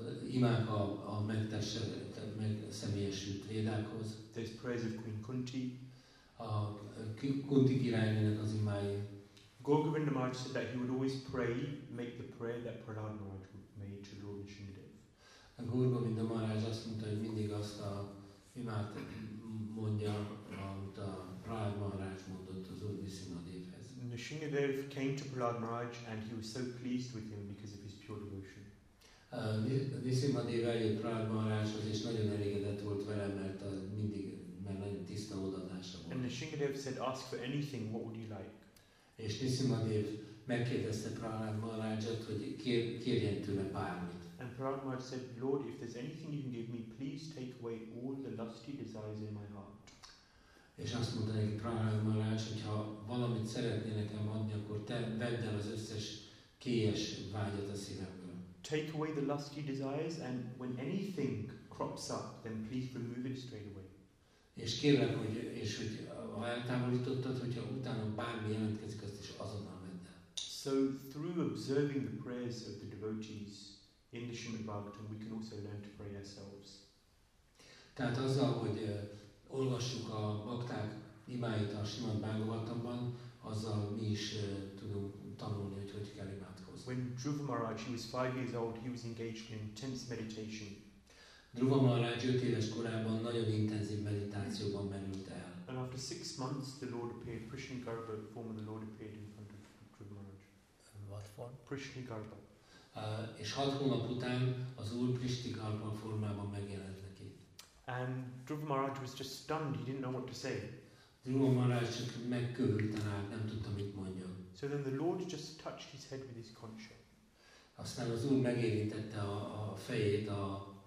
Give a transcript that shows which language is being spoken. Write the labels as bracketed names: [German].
[Hungarian] Imák a megszemélyesült Védákhoz. [English] There's prayers of Queen Kunti. [Hungarian] Kunti királynőnek az imái. [English] Gaugavinda Maharaj said that he would always pray, make the prayer that Prahlad Maharaj made to Lord Nishimadev. [Hungarian] Gaugavinda Maharaj azt mondta, hogy mindig azt a imát mondja, amit a Prahlad Maharaj mondott az Úr Nishimadevhez. [English] Nishimadev came to Prahlad Maharaj and he was so pleased with him because of his pure devotion. [Hungarian] Nishimadev eljött Prahlad Maharajhoz és nagyon elégedett volt vele, mert mindig, mert nagyon tiszta odaadása volt. [English] And Nishimadev said, ask for anything, what would you like? [Hungarian] És Nisimadev megkérdezte Prahlad Maharajat, hogy kérjen tőle bármit. [English] And Prahlad Maharaj said, Lord, if there's anything you can give me, please take away all the lusty desires in my heart. [Hungarian] És azt mondta neki Prahlad Maharaj, hogy ha valamit szeretné nekem adni, akkor te vedd el az összes kélyes vágyat a szívemből. [English] Take away the lusty desires, and when anything crops up, then please remove it straight away. [Hungarian] És kérlek, hogy és hogy ha eltávolítottad, hogyha utána bármi jelentkezik, azt is azonnal vedd el. [English] So through observing the prayers of the devotees in the Srimad Bhagavatam, we can also learn to pray ourselves. [Hungarian] Tehát azzal, hogy olvassuk a bakták imáit a Srimad Bhagavatamban, azzal mi is tudunk tanulni, hogy hogy kell imádkozni. [English] When Dhruva Maharaj, he was 5 years old, he was engaged in intense meditation. [Hungarian] Dhruva Maharaj 5 éves korában nagyon intenzív meditációban merült el. [English] And after 6 months, the Lord appeared, Prishnagarbha, the form of the Lord appeared in front of Dhruva Maharaj. What form? Prishnagarbha. [Hungarian] És 6 hónap után az Úr Prishnagarbha formában megjelent neki. [English] And Dhruva Maharaj was just stunned, he didn't know what to say. [Hungarian] Dhruva Maharaj csak megköhögten át, nem tudta mit mondjon. [English] So then the Lord just touched his head with his concha. [Hungarian] Aztán az Úr megérintette a fejét a